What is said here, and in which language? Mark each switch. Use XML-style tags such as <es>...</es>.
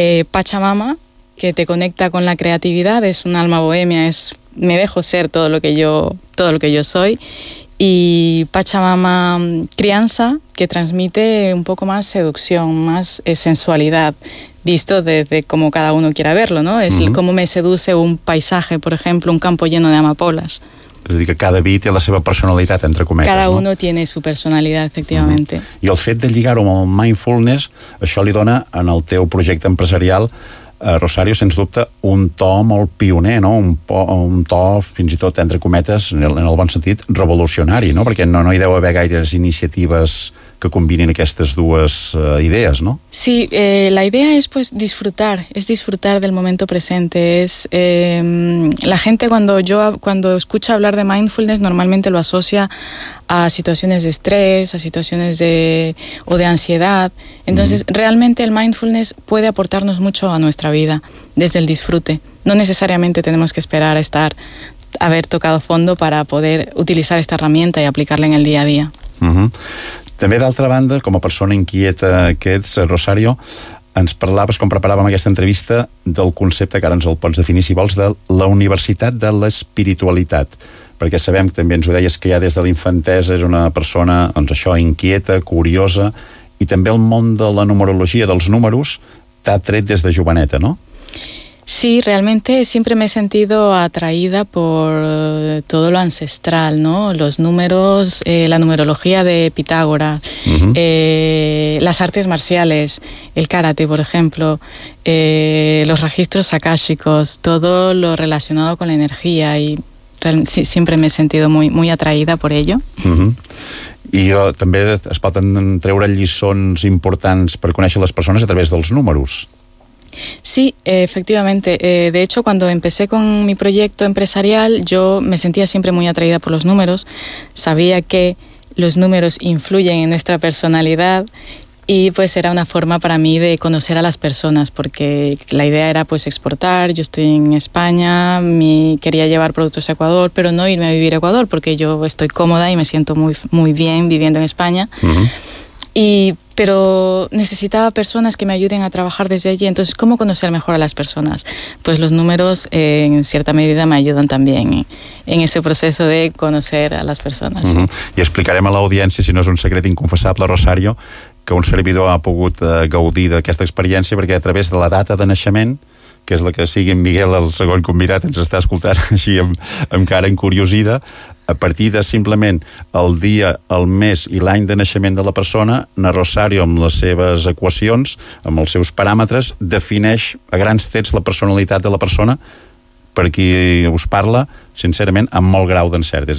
<es>Pachamama, que te conecta con la creatividad, es un alma bohemia, es me dejo ser todo lo que yo soy. Y Pachamama Crianza, que transmite un poco más seducción, más sensualidad, visto desde como cada uno quiera verlo, ¿no? Es uh-huh. cómo me seduce un paisaje, por ejemplo, un campo lleno de amapolas.</es> <ca>És a dir, que cada vi té la seva personalitat, entre cometes.</ca> <es>Cada uno tiene su personalidad, efectivamente.</es> <ca>Uh-huh. I el fet de lligar-ho amb el mindfulness, això li dona en el teu projecte empresarial, Rosario, sens dubte, un to molt pioner, no? un to, fins i tot, entre cometes, en el bon sentit, revolucionari, no? Perquè no hi deu haver gaires iniciatives que combinin aquestes dues idees, no?</ca> <es>Sí, la idea es pues disfrutar, es disfrutar del momento presente. La gente cuando escucha hablar de mindfulness normalmente lo asocia a situaciones de estrés, a situaciones de ansiedad. Entonces, mm-hmm. realmente el mindfulness puede aportarnos mucho a nuestra vida desde el disfrute. No necesariamente tenemos que esperar a haber tocado fondo para poder utilizar esta herramienta y aplicarla en el día a día.</es> <ca>Mm-hmm. També, d'altra banda, com a persona inquieta que ets, Rosario, ens parlaves, com preparàvem aquesta entrevista, del concepte, que ara ens el pots definir, si vols, de la Universitat de l'Espiritualitat. Perquè sabem, també ens ho deies, que ja des de la infantesa és una persona, doncs això, inquieta, curiosa, i també el món de la numerologia, dels números, t'ha tret des de joveneta, no?</ca> <es>Sí, realmente siempre me he sentido atraída por todo lo ancestral, ¿no? Los números, la numerología de Pitágoras, uh-huh. Las artes marciales, el karate, por ejemplo, los registros akáshicos, todo lo relacionado con la energía y sí, siempre me he sentido muy, muy atraída por ello. Uh-huh.</es> <ca>I també es poden treure lliçons importants per conèixer les persones a través dels números.</ca> <es>Sí, efectivamente. De hecho, cuando empecé con mi proyecto empresarial, yo me sentía siempre muy atraída por los números. Sabía que los números influyen en nuestra personalidad y pues era una forma para mí de conocer a las personas, porque la idea era pues exportar. Yo estoy en España, quería llevar productos a Ecuador, pero no irme a vivir a Ecuador, porque yo estoy cómoda y me siento muy, muy bien viviendo en España. Uh-huh. Pero necesitaba personas que me ayuden a trabajar desde allí. Entonces, ¿cómo conocer mejor a las personas? Pues los números, en cierta medida, me ayudan también en ese proceso de conocer a las personas. Mm-hmm.</es> <ca>Sí. I explicarem a l'audiència, si no és un secret inconfessable, Rosario, que un servidor ha pogut gaudir d'aquesta experiència perquè a través de la data de naixement, que és la que sigui en Miguel, el segon convidat, ens està escoltant així amb cara encuriosida, a partir de simplement el dia, el mes i l'any de naixement de la persona, na Rosario, amb les seves equacions, amb els seus paràmetres, defineix a grans trets la personalitat de la persona per qui us parla, sincerament, amb molt grau d'encert.</ca>